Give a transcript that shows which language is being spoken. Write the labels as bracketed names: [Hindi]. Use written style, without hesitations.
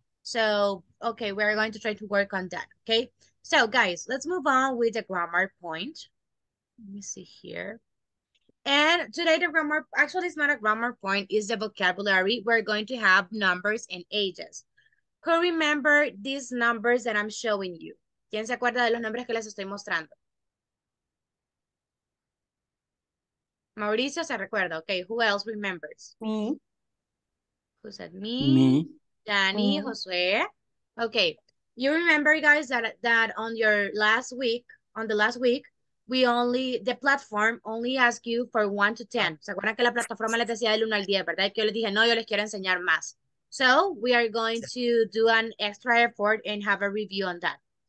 [English] So, okay, we're going to try to work on that, okay? So, guys, let's move on with the grammar point. Let me see here. And today the grammar, actually it's not a grammar point, it's the vocabulary. We're going to have numbers and ages. Who remember these numbers that I'm showing you? [Spanish] ¿Quién se acuerda de los nombres que les estoy mostrando? [English] Mauricio [Spanish] se recuerda. [English] Okay, who else remembers? Me. Who said me? Me. Danny, mm-hmm. Josue. Okay, you remember, guys, that on your last week, on the last week, the platform only asked you for 1 to 10. [Spanish] ¿Se acuerdan que la plataforma les decía del 1 al 10, verdad? Que yo les dije, no, yo les quiero enseñar más. [English] So, we are going to do an extra effort and have a review on that.